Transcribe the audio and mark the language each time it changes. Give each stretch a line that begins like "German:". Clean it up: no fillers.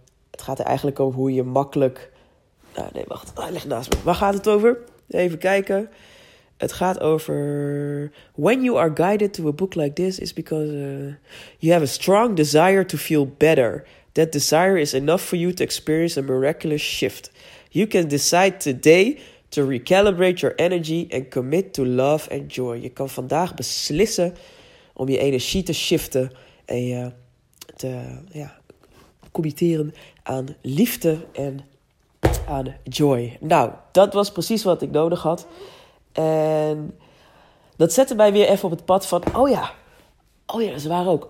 Dutch: Het gaat er eigenlijk over hoe je makkelijk. Hij ligt naast me. Waar gaat het over? Even kijken. Het gaat over,
English: when you are guided to a book like this, is because you have a strong desire to feel better. That desire is enough for you to experience a miraculous shift. You can decide today to recalibrate your energy and commit to love and joy.
Dutch: Je kan vandaag beslissen om je energie te shiften en je te committeren aan liefde en aan joy. Nou, dat was precies wat ik nodig had. En dat zette mij weer even op het pad van, oh ja, dat is waar ook.